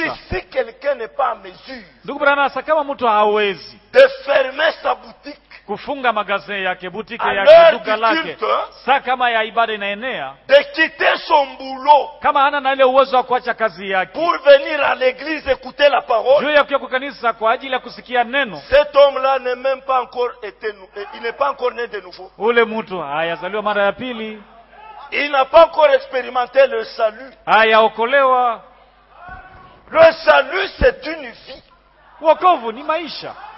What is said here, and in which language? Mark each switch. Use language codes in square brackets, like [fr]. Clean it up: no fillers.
[fr] Il dit si quelqu'un n'est pas à mesure. [sw] Ndugu Branham sakama mtu hawezi. [fr] De fermer sa boutique. [sw] Kufunga magazin yake, boutique yake, duka lake. Sakama ya ibada inaenea. [fr] De quitter son boulot. [sw] Kama hana na ile uwezo wa kuacha kazi yake. [fr] Pour venir à l'église écouter la parole. [sw] Juu ya kuja kwa kanisa kwa ajili ya kusikia neno. [fr] Cet homme là n'est même pas encore éternu. Il n'est pas encore né de nouveau. [sw] Ule mtu hayazaliwa mara ya pili. [fr] Il n'a pas encore expérimenté le salut. [sw] Hayaokolewa. [fr] Le salut c'est une vie. [sw] Wokovu ni maisha.